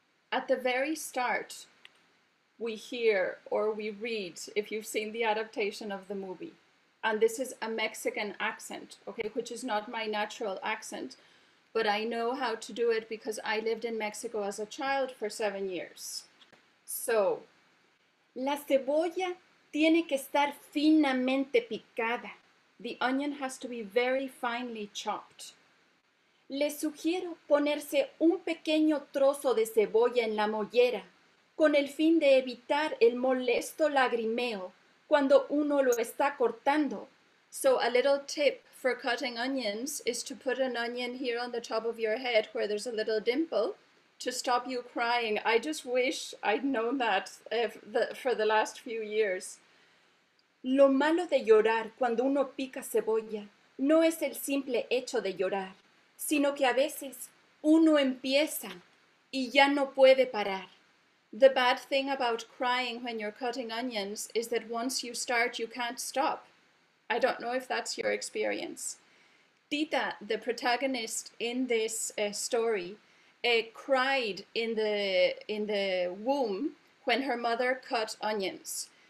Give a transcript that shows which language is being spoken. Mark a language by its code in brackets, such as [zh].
[en] At the very start, we hear or we read, if you've seen the adaptation of the movie, and this is a Mexican accent, okay, which is not my natural accent, but I know how to do it because I lived in Mexico as a child for 7 years. [es] So, la cebolla tiene que estar finamente picada. [en] The onion has to be very finely chopped. [es] Le sugiero ponerse un pequeño trozo de cebolla en la mollera, con el fin de evitar el molesto lagrimeo cuando uno lo está cortando. [en] So a little tip for cutting onions is to put an onion here on the top of your head where there's a little dimple to stop you crying. I just wish I'd known that for the last few years. [es] Lo malo de llorar cuando uno pica cebolla no es el simple hecho de llorar, sino que a veces uno empieza y ya no puede parar. [en] The bad thing about crying when you're cutting onions is that once you start, you can't stop. I don't know if that's your experience. Tita, the protagonist in this story, cried in the womb when her mother cut onions.